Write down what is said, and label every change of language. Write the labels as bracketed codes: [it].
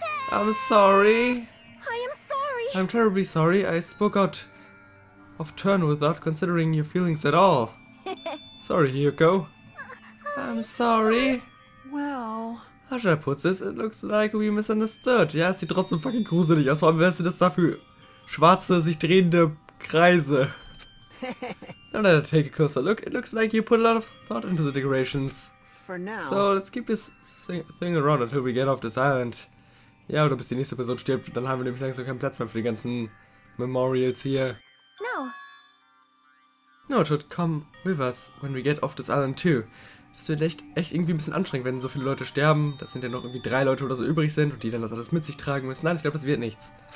[en] I'm sorry! I am sorry! I'm terribly sorry, I spoke out of turn without considering your feelings at all. Sorry, Hiyoko. I'm sorry! Well... How should I put this? It looks like we misunderstood. [de] Ja, es sieht trotzdem fucking gruselig aus. Vor allem, wer ist das da für schwarze, sich drehende Kreise? [en] Now that I take a closer look, it looks like you put a lot of thought into the decorations. For now. So, let's keep this thing around until we get off this island. [de] Ja, oder bis die nächste Person stirbt, dann haben wir nämlich langsam keinen Platz mehr für die ganzen Memorials hier. [en] No. No, it should come with us when we get off this island too. [de] Das wird echt irgendwie ein bisschen anstrengend, wenn so viele Leute sterben. Das sind ja noch irgendwie 3 Leute oder so übrig sind und die dann das alles mit sich tragen müssen. Nein, ich glaube, das wird nichts.